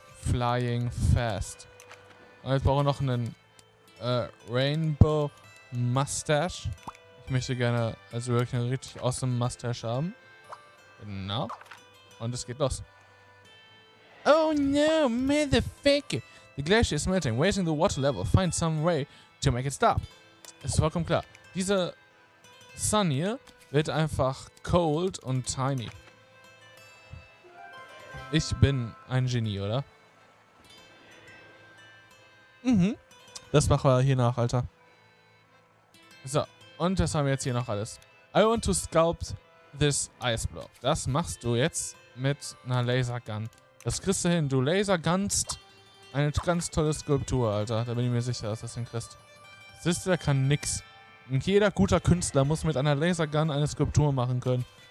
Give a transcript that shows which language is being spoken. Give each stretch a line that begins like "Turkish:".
English: Flying fast.
German: Und jetzt brauche ich noch einen Rainbow Mustache. Ich möchte gerne also wirklich einen richtig awesome Mustache haben. Genau. Und es geht los. Oh
English: no, motherfucker. The glacier is melting, raising the water level. Find some way to make it stop.
German: Ist vollkommen klar. Dieser Sun hier wird einfach cold und tiny. Ich bin ein Genie, oder? Mhm. Das machen wir hier nach, Alter. So, und das haben wir jetzt hier noch alles.
English: I want to sculpt this ice block.
German: Das machst du jetzt mit einer Lasergun. Das kriegst du hin. Du lasergunst eine ganz tolle Skulptur, Alter. Da bin ich mir sicher, dass du das hinkriegst. Siehst du, der kann nix. Und jeder guter Künstler muss mit einer Lasergun eine Skulptur machen können.